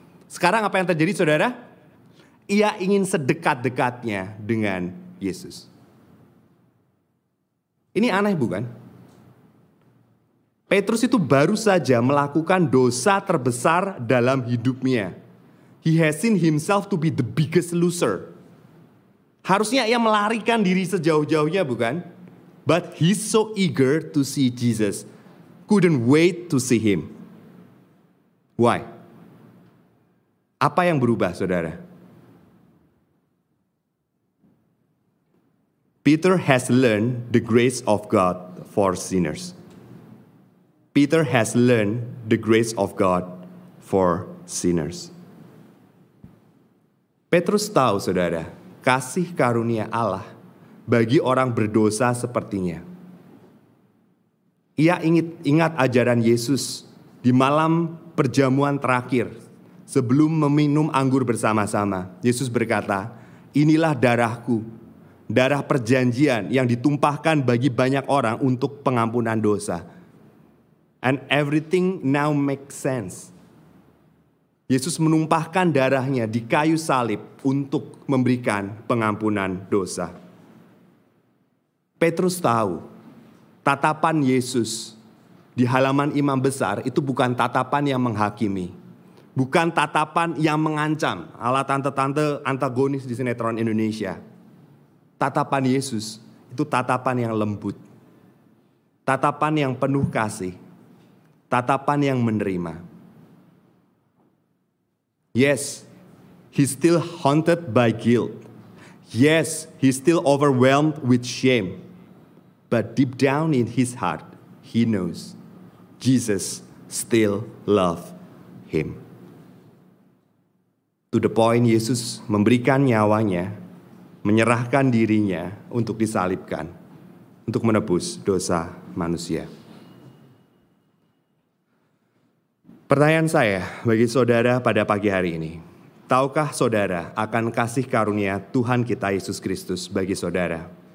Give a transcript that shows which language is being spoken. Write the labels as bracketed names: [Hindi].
[Indonesian] Sekarang apa yang terjadi saudara? Ia ingin sedekat-dekatnya dengan Yesus. Ini aneh bukan? Petrus itu baru saja melakukan dosa terbesar dalam hidupnya. [English] He has seen himself to be the biggest loser. [Indonesian] Harusnya ia melarikan diri sejauh-jauhnya bukan? [English] But he's so eager to see Jesus. Couldn't wait to see him. Why? [Indonesian] Apa yang berubah, saudara? [English] Peter has learned the grace of God for sinners. Peter has learned the grace of God for sinners. [Indonesian] Petrus tahu, saudara, kasih karunia Allah bagi orang berdosa sepertinya. Ia ingat ajaran Yesus di malam perjamuan terakhir. Sebelum meminum anggur bersama-sama, Yesus berkata, inilah darahku, darah perjanjian yang ditumpahkan bagi banyak orang untuk pengampunan dosa. [English] And everything now makes sense. [Indonesian] Yesus menumpahkan darahnya di kayu salib untuk memberikan pengampunan dosa. Petrus tahu, tatapan Yesus di halaman imam besar itu bukan tatapan yang menghakimi. Bukan tatapan yang mengancam ala tante-tante antagonis di sinetron Indonesia. Tatapan Yesus itu tatapan yang lembut. Tatapan yang penuh kasih. Tatapan yang menerima. [English] Yes, he's still haunted by guilt. Yes, he's still overwhelmed with shame. But deep down in his heart, he knows Jesus still loves him. To the point, [Indonesian] Yesus memberikan nyawanya, menyerahkan dirinya untuk disalibkan, untuk menebus dosa manusia. Pertanyaan saya bagi saudara pada pagi hari ini, tahukah saudara akan kasih karunia Tuhan kita Yesus Kristus bagi saudara?